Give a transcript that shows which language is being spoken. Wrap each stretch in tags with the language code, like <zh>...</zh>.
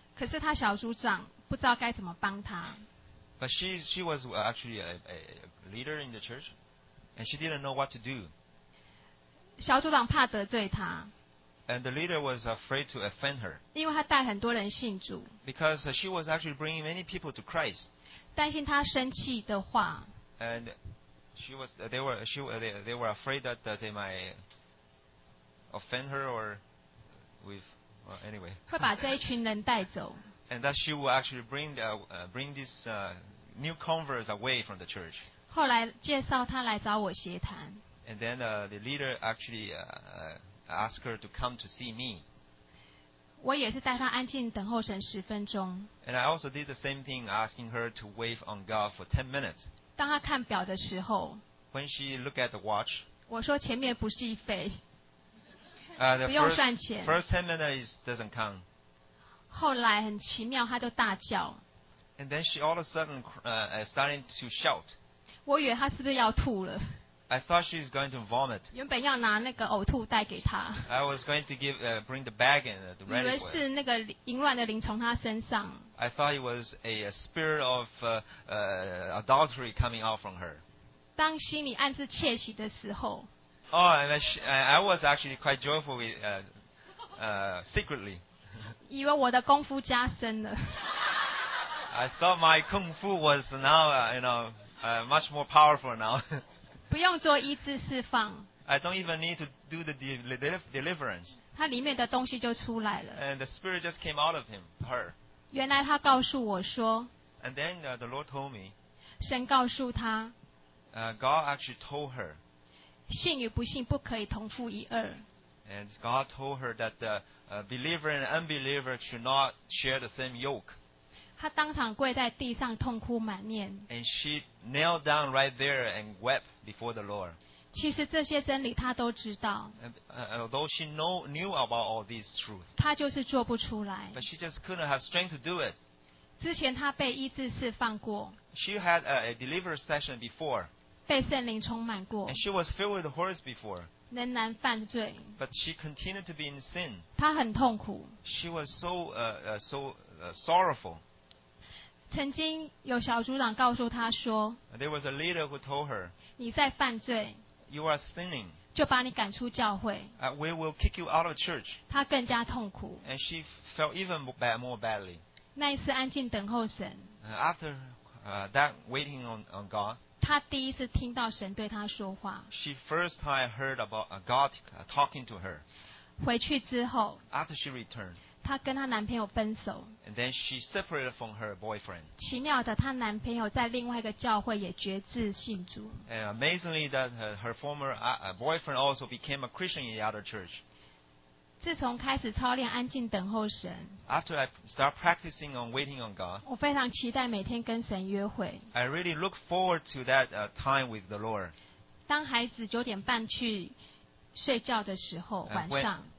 <zh>可是她小组长不知道该怎么帮她。</zh> <en>But she was actually a leader in the church. And she didn't know what to do.</en> <zh>小组长怕得罪他。</zh> <en>And the leader was afraid to offend her.</en> <zh>因为他带很多人信主。</zh> <en>Because she was actually bringing many people to Christ.</en> <zh>担心他生气的话。</zh> <en>And she was, they were, she, they were afraid that they might offend her or with, well, anyway.</en> <zh>会把这一群人带走。</zh> <en>And that she will actually bring this new converts away from the church.</en> <zh>后来介绍他来找我协谈。</zh> <en>And then the leader actually asked her to come to see me.</en> <zh>我也是带他安静等候神十分钟。</zh> <en>And I also did the same thing, asking her to wait on God for 10 minutes.</en> <zh>当他看表的时候。</zh> <en>When she looked at the watch.</en> <zh>我说前面不计费。不用算钱。</zh> <en>First 10 minutes doesn't count.</en> <zh>后来很奇妙，他就大叫。</zh> <en>And then she all of a sudden starting to shout.</en> <zh>我以为她是不是要吐了。</zh> <en>I thought she was going to vomit.</en> <zh>原本要拿那个呕吐袋给她。</zh> <en>I was going to give, bring the bag and the red one.</en> <zh>以为是那个淫乱的灵从她身上。</zh> <en>I thought it was a spirit of adultery coming out from her.</en> <zh>当心里暗自窃喜的时候。</zh> <en>Oh, and I was actually quite joyful with, secretly.</en> <zh>以为我的功夫加深了。</zh> <en>I thought my kung fu was now, much more powerful now.</en> <zh>不用做医治释放。</zh> <en>I don't even need to do the deliverance.</en> <zh>他里面的东西就出来了。</zh> <en>And the spirit just came out of him, her.</en> <zh>原来他告诉我说。</zh> <en>And then the Lord told me.</en> <zh>神告诉他。</zh> <en>God actually told her.</en> <zh>信与不信不可以同父一二。</zh> <en>And God told her that the believer and unbeliever should not share the same yoke.</en> <zh>他当场跪在地上痛哭满面。</zh> <en>And she knelt down right there and wept. Before the Lord.</en> <zh>其实这些真理他都知道。</zh> <en>Although she knew about all these truths.</en> <zh>他就是做不出来。</zh> <en>But she just couldn't have strength to do it.</en> <zh>之前他被医治释放过。</zh> <en>She had a deliverance session before.</en> <zh>被圣灵充满过。</zh> <en>And she was filled with the Holy Spirit before.</en> <zh>仍然犯罪。</zh> <en>But she continued to be in sin.</en> <zh>他很痛苦。</zh> <en>She was so, sorrowful.</en> <zh>曾经有小组长告诉他说。</zh> <en>There was a leader who told her.</en> <zh>你在犯罪</zh> <en>you are sinning,</en> <zh>就把你赶出教会</zh> <en>we will kick you out of church,</en> <zh>她更加痛苦</zh> <en>and she felt even more badly.</en> <zh>那一次安静等候神</zh> <en>after that waiting on God,</en> <zh>她第一次听到神对她说话</zh> <en>she first time heard about God talking to her.</en> <zh>回去之后</zh> <en>after she returned,</en> <zh>她跟她男朋友分手</zh> <en>and then she separated from her boyfriend.</en> <zh>奇妙的她男朋友在另外一个教会也决志信主</zh> <en>and amazingly that her former boyfriend also became a Christian in the other church.</en> <zh>自从开始操练安静等候神</zh> <en>after I start practicing on waiting on God,</en> <zh>我非常期待每天跟神约会</zh> <en>I really look forward to that time with the Lord.</en> <zh>当孩子九点半去睡觉的时候晚上</zh>